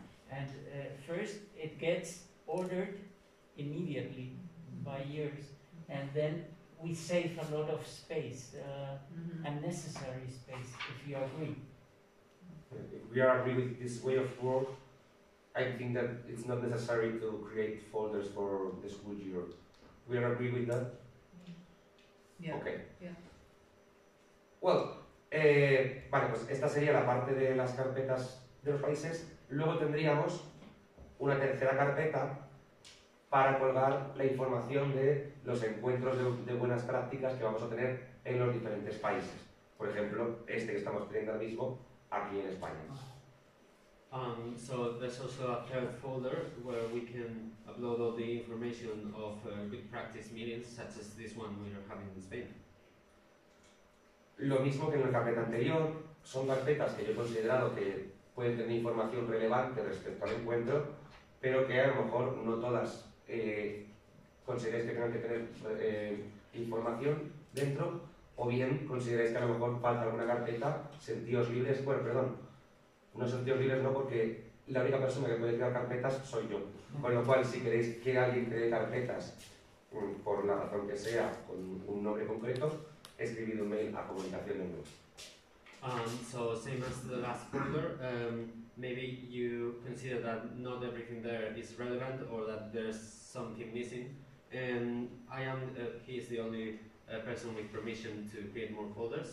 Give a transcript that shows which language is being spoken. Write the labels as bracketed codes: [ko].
[en] And first it gets ordered immediately by years, and then we save a lot of space, unnecessary space, if you agree. If we are agree with this way of work, I think that it's not necessary to create folders for the school year. We are agree with that? Yeah. Okay. Yeah. [es] Well, vale, pues esta sería la parte de las carpetas de los países. Luego tendríamos una tercera carpeta para colgar la información de los encuentros de buenas prácticas que vamos a tener en los diferentes países. Por ejemplo, este que estamos teniendo ahora mismo aquí en España. [en] So there's also a third folder where we can upload all the information of good practice meetings such as this one we are having in Spain. [es] Lo mismo que en la carpeta anterior, son carpetas que yo he considerado que pueden tener información relevante respecto al encuentro, pero que a lo mejor no todas consideráis que tengan que tener información dentro, o bien consideráis que a lo mejor falta alguna carpeta, sentíos libres, bueno, perdón, no sentíos libres, no, porque la única persona que puede crear carpetas soy yo. Con lo cual, si queréis que alguien cree carpetas, por la razón que sea, con un nombre concreto, escribid un mail a comunicación en grupo. [en] So same as the last folder, maybe you consider that not everything there is relevant or that there's something missing. And I am, he is the only person with permission to create more folders.